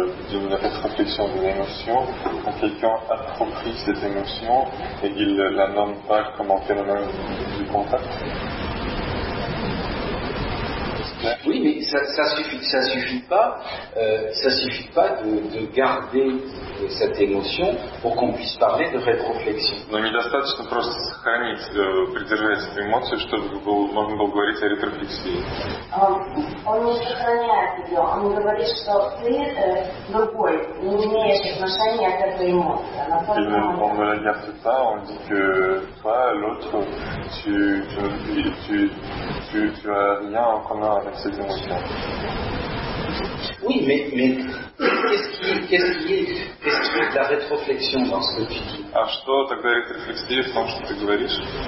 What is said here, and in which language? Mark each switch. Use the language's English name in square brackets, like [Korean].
[French] D'une rétroflexion d'une émotion, quand quelqu'un approprie cette émotion et il ne la nomme pas comme un phénomène du contact. Oui, mais ça suffit pas de garder cette émotion pour qu'on puisse parler de rétroflexion. [Russian] Но недостаточно просто сохранить, придерживать эту эмоцию, чтобы можно было говорить о рефлексии. Он не сохраняет ее, он говорит, что ты другой, не имеешь отношения к этой эмоции. Он не говорит это, он говорит, что [French] toi, l'autre, tu as rien en commun avec cette émotion. Oui, mais qu'est-ce qui est la rétroflexion dans ce que tu dis? [Russian] А что тогда рефлексия в том, что ты говоришь?